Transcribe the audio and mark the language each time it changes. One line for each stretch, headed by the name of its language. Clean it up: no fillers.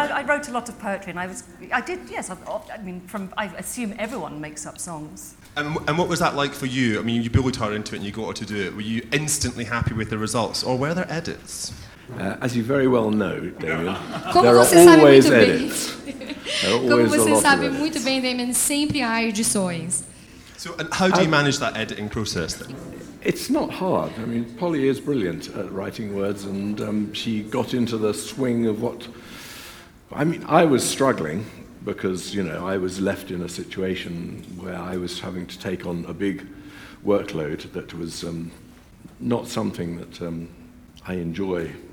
English: Well, I wrote a lot of poetry and I assume everyone makes up songs. And what was that like for you? I mean, you bullied her into it and you got her to do it. Were you instantly happy with the results or were there edits? As you very well know, Damien, there are always edits. There are always a lot of edits.
Portuguese: Como você sabe muito bem, Damien, sempre há edições.
English: So, and how do you manage that editing process then? It's not hard. I mean, Polly is brilliant at writing words and she got into the swing of what... I mean, I was struggling because, you know, I was left in a situation where I was having to take on a big workload that was not something that I enjoy.